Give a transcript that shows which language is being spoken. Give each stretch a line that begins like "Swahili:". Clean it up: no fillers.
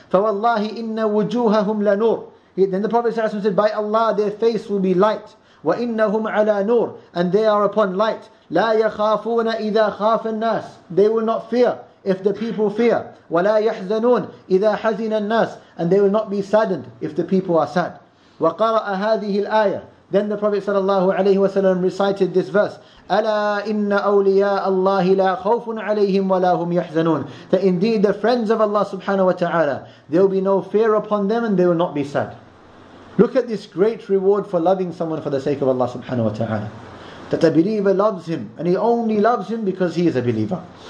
Arabic: فَوَاللَّهِ إِنَّ وُجُوهَهُمْ لَنُورِ
English: Then the Prophet ﷺ said, By Allah, their face will be light.
Arabic: وَإِنَّهُمْ عَلَى نُورٍ
English: And they are upon light.
Arabic: لَا يَخَافُونَ إِذَا خَافَ النَّاسِ
English: They will not fear if the people fear.
Arabic: وَلَا يَحْزَنُونَ إِذَا حَزِنَ النَّاسِ
English: And they will not be saddened if the people are sad.
Arabic: وَقَرَأَ هَذِهِ الْآيَةِ
English: Then the Prophet صلى الله عليه وسلم recited this verse.
Arabic: أَلَا إِنَّ أَوْلِيَاءَ اللَّهِ لَا خَوْفٌ عَلَيْهِمْ وَلَا هُمْ يَحْزَنُونَ
English: That indeed the friends of Allah subhanahu wa ta'ala, there will be no fear upon them and they will not be sad. Look at this great reward for loving someone for the sake of Allah subhanahu wa ta'ala. That a believer loves him, and he only loves him because he is a believer.